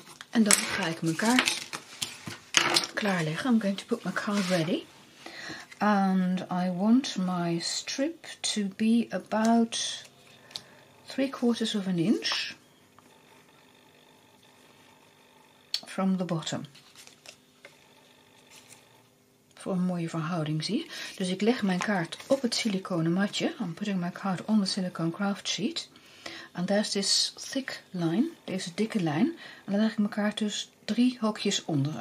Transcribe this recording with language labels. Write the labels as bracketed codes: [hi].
[nl] En dan ga ik mijn kaart klaarleggen. [en] I'm going to put my card ready. And I want my strip to be about 3/4 inch from the bottom. [nl] Voor een mooie verhouding, zie je. Dus ik leg mijn kaart op het siliconen matje. [en] I'm putting my card on the silicone craft sheet. [nl] En daar is [en] this thick line, [nl] deze dikke lijn. En dan leg ik mijn kaart dus 3 hokjes onder.